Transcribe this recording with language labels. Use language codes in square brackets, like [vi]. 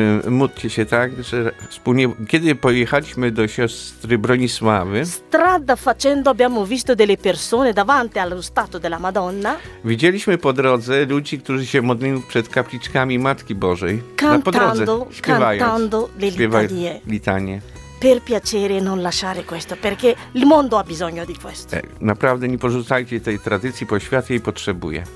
[pl] Módlcie się tak, że wspólnie, kiedy pojechaliśmy do siostry Bronisławy, [it] strada facendo abbiamo visto delle persone davanti allo statua della Madonna. [pl] Widzieliśmy po drodze ludzi, którzy się modlili przed kapliczkami Matki Bożej. [it] Cantando, [pl] po drodze, [it] cantando le litanie. [pl] Litanie. [it] Per piacere non lasciare questo, perché il mondo ha bisogno di questo. [pl] Naprawdę nie porzucajcie tej tradycji, bo świat jej potrzebuje.